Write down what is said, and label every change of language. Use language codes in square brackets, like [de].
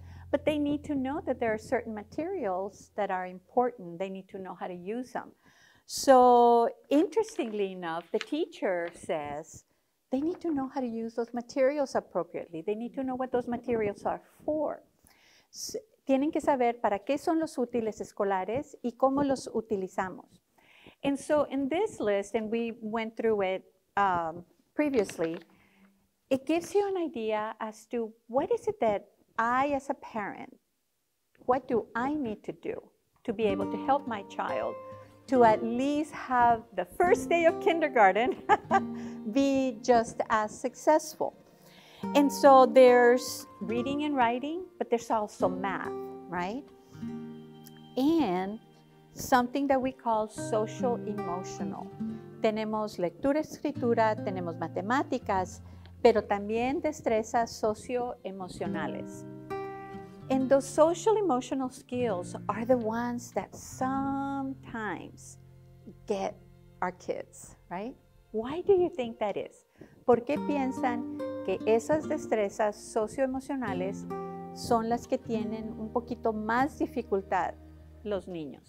[en] But they need to know that there are certain materials that are important. They need to know how to use them. So interestingly enough, the teacher says they need to know how to use those materials appropriately. They need to know what those materials are for. [es] So, tienen que saber para qué son los útiles escolares y cómo los utilizamos. [en] And so in this list, and we went through it previously, it gives you an idea as to what is it that I, as a parent, what do I need to do to be able to help my child to at least have the first day of kindergarten be just as successful. And so there's reading and writing, but there's also math, right? And something that we call social emotional. [es] Tenemos lectura, escritura, tenemos matemáticas, pero también destrezas socioemocionales. [en] And those social emotional skills are the ones that sometimes get our kids, right? Why do you think that is? [es] ¿Por qué piensan que esas destrezas socioemocionales son las que tienen un poquito más dificultad los niños?